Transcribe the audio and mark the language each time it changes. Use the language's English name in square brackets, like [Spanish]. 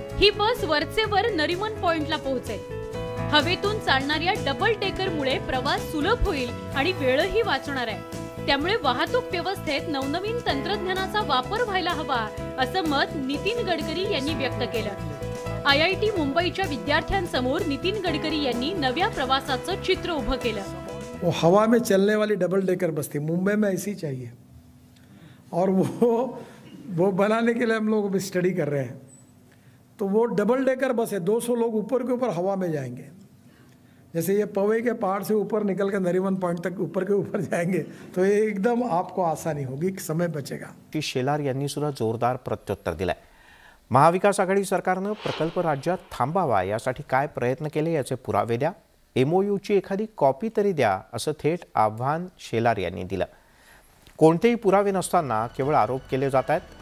[Marathi] ही बस वरचेवर नरिमन पॉइंटला पोहोचेल. हवेतून चालणाऱ्या डबल डेकरमुळे प्रवास सुलभ होईल आणि वेळही वाचणार आहे. त्यामुळे वाहतूक व्यवस्थेत नवनवीन तंत्रज्ञानाचा वापर व्हायला हवा असं मत नितीन गडकरी यांनी व्यक्त केलं. IIT मुंबईच्या विद्यार्थ्यांसमोर नितीन गडकरी यांनी नव्या प्रवासाचं चित्र उभं केलं. [Hindi] वो हवा में चलने वाली डबल डेकर बस थी, मुंबई में ऐसी चाहिए. और वो बनाने के लिए हम लोग अभी स्टडी कर रहे हैं. तो वो डबल डेकर बस है, 200 लोग ऊपर के ऊपर हवा में जाएंगे. जैसे ये पवई के पहाड़ से ऊपर निकल के नरिमन पॉइंट तक ऊपर के ऊपर जाएंगे तो ये एकदम आपको आसानी होगी, समय बचेगा. [Marathi] की शेलार यांनी सुद्धा जोरदार प्रत्युत्तर दिलंय. महाविकास आघाडी सरकारनं प्रकल्प राज्यात थांबावा यासाठी काय प्रयत्न केले याचे पुरावे द्या, MOU एखादी कॉपी तरी द्या असं थेट आव्हान शेलार यांनी दिलं. कोणतेही पुरावे नसताना केवळ आरोप केले जात आहेत.